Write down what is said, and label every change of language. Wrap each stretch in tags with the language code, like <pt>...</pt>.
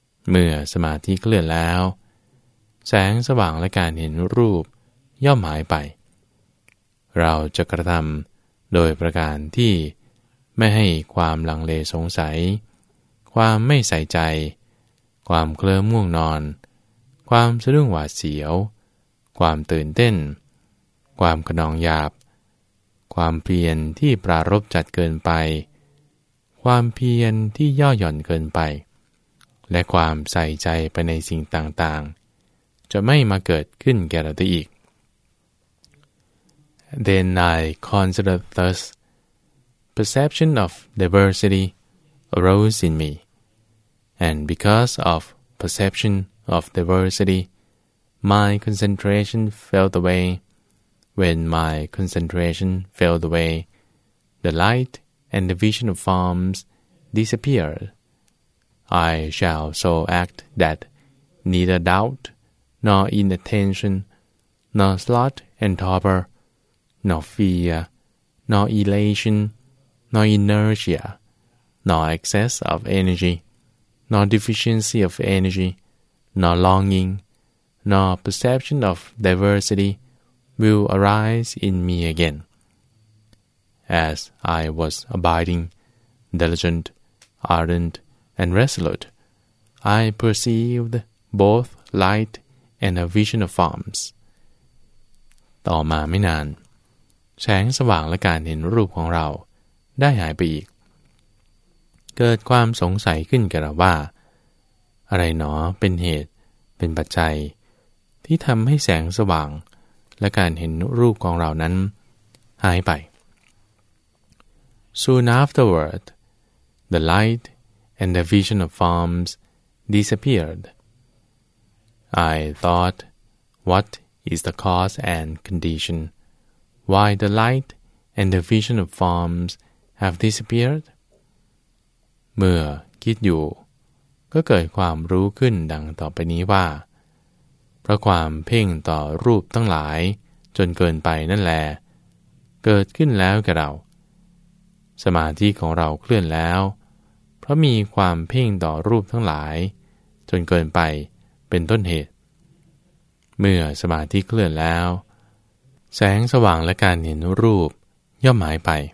<th>เมื่อสมาธิเคลื่อนแล้วแสงสว่างและการเห็นรูปย่อมหายไปเราจะกระทำโดยประการที่ไม่ให้ความลังเลสงสัยความไม่ใส่ใจความเคลิ้มง่วงนอนความสะดุ้งหวาดเสียวความตื่นเต้นความคะนองหยาบความเพียรที่ปรารภจัดเกินไป ความเพียรที่ย่อหย่อนเกินไปและความใส่ใจไปในสิ่งต่างๆจะไม่มาเกิดขึ้นแก่เราได้อีก</th> <en>Then I considered thus, perception of diversity arose in me, and because of perception of diversity, my concentration failed away. When my concentration failed away, the light and the vision of forms disappeared. I shall so act that neither doubt,nor inattention, nor sloth and torpor, nor fear, nor elation, nor inertia, nor excess of energy, nor deficiency of energy, nor longing, nor perception of diversity will arise in me again. As I was abiding, diligent, ardent, and resolute, I perceived both light and a vision of forms.</en> <th>ต่อมาไม่นานแสงสว่างและการเห็นรูปของเราได้หายไปอีกเกิดความสงสัยขึ้นแก่เราว่าอะไรหนอเป็นเหตุเป็นปัจจัยที่ทำให้แสงสว่างและการเห็นรูปของเรานั้นหายไป</th> <en>Soon afterward, the light and the vision of forms disappeared. I thought, what is the cause and condition why the light and the vision of forms have disappeared?</en> <th>เมื่อคิดอยู่ก็เกิดความรู้ขึ้นดังต่อไปนี้ว่าเพราะความเพ่งต่อรูปทั้งหลายจนเกินไปนั่นแลเกิดขึ้นแล้วแก่เราสมาธิของเราเคลื่อนแล้วเพราะมีความเพ่งต่อรูปทั้งหลายจนเกินไปเป็นต้นเหตุเมื่อสมาธิเคลื่อนแล้วแสงสว่างและการเห็นรูปย่อมหายไป</th>